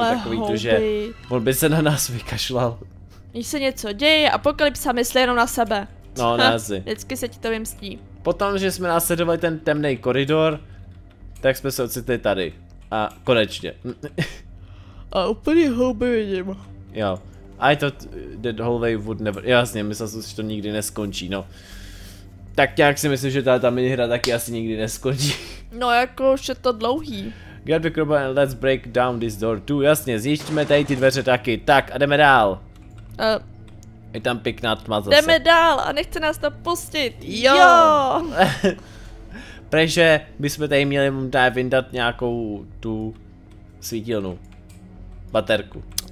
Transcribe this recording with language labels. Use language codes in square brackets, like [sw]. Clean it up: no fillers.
[cs] ale takový to, že on by se na nás vykašlal. Když se něco děje, apokalypsa myslí jenom na sebe. No, ne asi. Vždycky se ti to vymstí. Potom, že jsme následovali ten temný koridor, tak jsme se ocitli tady. A konečně. A úplně houby vidím. Jo. [en] I thought that hallway would never... [cs] Jasně, myslel jsem, že to nikdy neskončí, no. Tak nějak si myslím, že ta minihra taky asi nikdy neskončí. No jako už je to dlouhý. [en] Grab the crowbar and let's break down this door too. [cs] Jasně, zjištíme tady ty dveře taky. Tak a jdeme dál. Je tam pěkná tma zase. Jdeme dál a nechce nás to pustit. Jo. Takže bychom tady měli tady vyndat nějakou tu svítilnu, baterku,